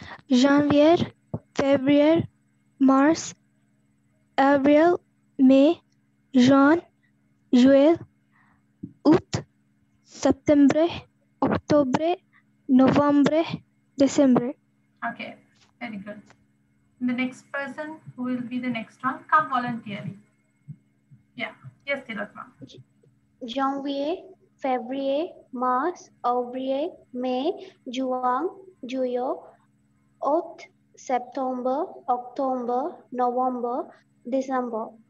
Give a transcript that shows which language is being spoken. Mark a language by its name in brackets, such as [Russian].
[French] Janvier, Février, Mars, Avril, Mai, Juin, juillet, août, septembre, octobre, novembre, décembre. [English] Okay, very good. The next person, who will be the next one? Come voluntarily. Yeah, yes, Tilakma. [French] Janvier, février, mars, avril, mai, juin, juillet, août, septembre, octobre, novembre, décembre.